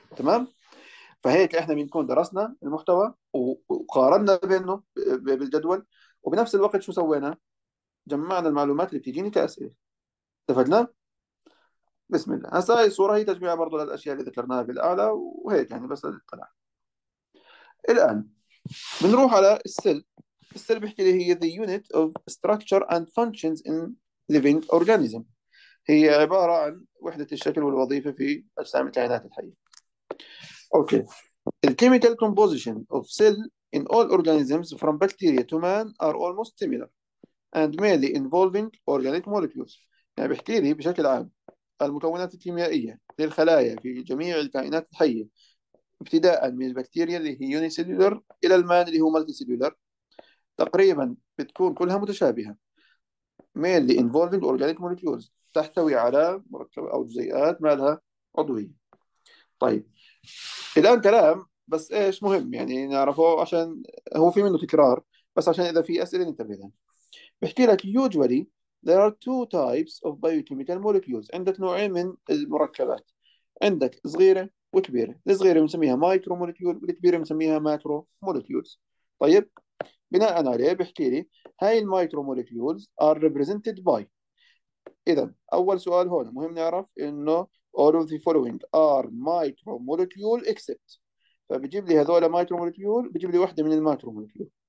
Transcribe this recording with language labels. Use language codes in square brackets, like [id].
[ar] تمام؟ فهيك احنا بنكون درسنا المحتوى وقارنا بينه بالجدول، وبنفس الوقت شو سوينا؟ جمعنا المعلومات اللي بتجيني كاسئله. استفدنا؟ بسم الله. هسا هاي الصورة هي تجميع برضو للأشياء اللي ذكرناها بالأعلى، وهيك يعني بس للاطلاع. الآن بنروح على السيل. السيل بيحكي لي هي [en] the unit of structure and functions in living organism. [ar] هي عبارة عن وحدة الشكل والوظيفة في أجسام الكائنات الحية. أوكي. [en] The chemical composition of cell in all organisms from bacteria to man are almost similar and mainly involving organic molecules. [ar] يعني بيحكي لي بشكل عام المكونات الكيميائية للخلايا في جميع الكائنات الحية ابتداء من البكتيريا اللي هي يوني سيلولر إلى المان اللي هو مالتي سيلولر تقريبا بتكون كلها متشابهة، [en] mainly involving organic molecules، [ar] تحتوي على مركب أو جزيئات مالها عضوية. طيب، الآن كلام بس إيش مهم يعني نعرفه، عشان هو في منه تكرار بس عشان إذا في أسئلة ننتبه لها. بيحكي لك [en] usually there are two types of biochemical molecules. [ar] عندك نوعين من المركبات، عندك صغيرة وكبيرة. الصغيرة بنسميها مايكرو مولكيول والكبيرة بنسميها ماكرو مولكيولز. طيب، بناء عليه بيحكي لي هاي المايكرو مولكيولز [en] are represented by. [ar] إذا أول سؤال هون مهم نعرف إنه [en] all of the following are micro molecule except، [ar] فبيجيب لي هذول مايكرو مولكيول، بيجيب لي واحدة من الماكرو مولكيول.